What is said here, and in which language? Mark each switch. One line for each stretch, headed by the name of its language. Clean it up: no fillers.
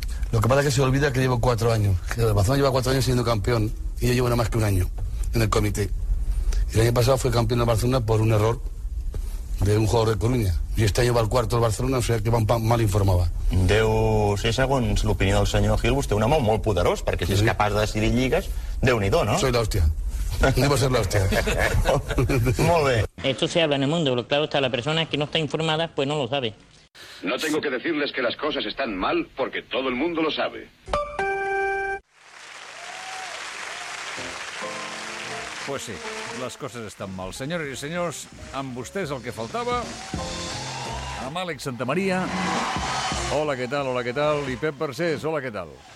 Spanish: Lo que pasa es que se olvida que llevo 4 años. Que el Barcelona lleva 4 años siendo campeón. Y yo llevo nada más que 1 año en el comité. El año pasado fue campeón de Barcelona por un error de un jugador de Coruña. Y este año va al cuarto el Barcelona, o sea que mal informaba.
Catalan: Deu ser, segons l'opinió del senyor Gil, vostè un home molt poderós, perquè si és capaç de decidir lligues, Déu-n'hi-do, no?
Spanish: Soy la hostia. Debo ser la hostia.
Catalan: Molt bé.
Spanish: Esto se habla en el mundo, pero claro está, la persona que no está informada, pues no lo sabe. No tengo que decirles que las cosas están mal, porque todo el mundo lo sabe. Pues sí, las cosas están mal. Señores y señores,
Catalan: amb vostès el que faltava, amb Àlex Santamaría. Hola, què tal, hola, què tal? I Pep Vergés, hola, què tal?